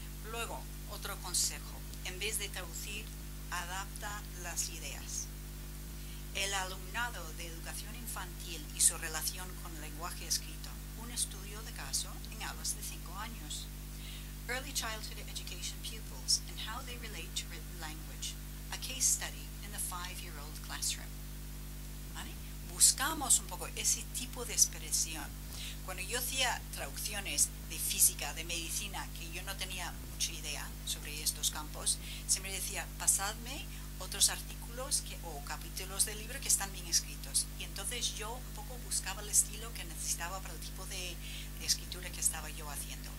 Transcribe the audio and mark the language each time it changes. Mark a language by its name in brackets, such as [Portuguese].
[Spanish] Luego, otro consejo, en vez de traducir, adapta las ideas. El alumnado de educación infantil y su relación con el lenguaje escrito. Un estudio de caso en aulas de 5 años. [English] Early childhood education pupils and how they relate to written language. A case study in the 5-year-old classroom. [Spanish] ¿Vale? Buscamos un poco ese tipo de expresión. Cuando yo hacía traducciones de física, de medicina, que yo no tenía mucha idea sobre estos campos, siempre decía, pasadme otros artículos o capítulos del libro que están bien escritos. Y entonces yo un poco buscaba el estilo que necesitaba para el tipo de escritura que estaba yo haciendo.